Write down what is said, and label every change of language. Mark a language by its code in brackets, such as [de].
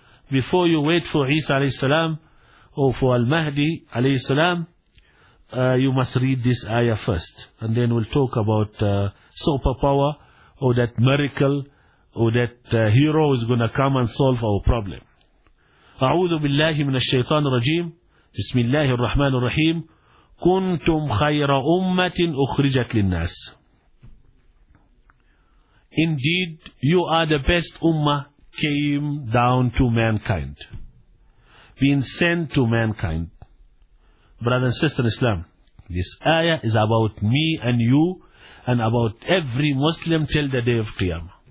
[en] Before you wait for Isa alayhi salam, or for al-Mahdi alayhi salam, you must read this ayah first. And then we'll talk about superpower, or that miracle, or that hero is going to come and solve our problem. [ar] أعوذ بالله من الشيطان الرجيم بسم الله الرحمن الرحيم كنتم خير أمة أخرجت للناس. [en] Indeed, you are the best ummah came down to mankind, being sent to mankind. Brother and sister in Islam, this ayah is about me and you and about every Muslim till the day of Qiyamah.